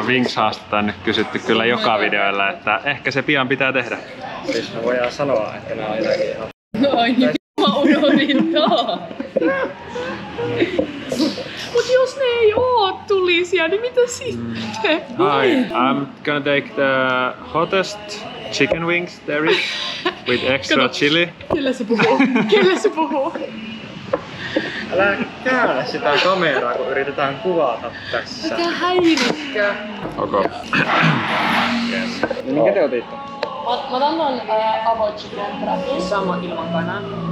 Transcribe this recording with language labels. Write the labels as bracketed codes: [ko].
[fi] No wings haastaa nyt kysytty kyllä joka videolla, että ehkä se pian pitää tehdä. Siis me voidaan sanoa, että nää on jotakin ihan... No ai niin, tais... mä unohdin taa. Mut jos ne ei oo tulisia, niin mitä sitten? [en] Hi, I'm gonna take the hottest chicken wings there is with extra chili. [fi] Kelle se puhuu? Kelle se puhuu? Älä käännä sitä kameraa, kun yritetään kuvata tässä. Mikä häiritkö? [en] Okay. [fi] Yes. Minkä te otitte? Mä otan ton avo chicken wrapin. Sama ilman kanaa.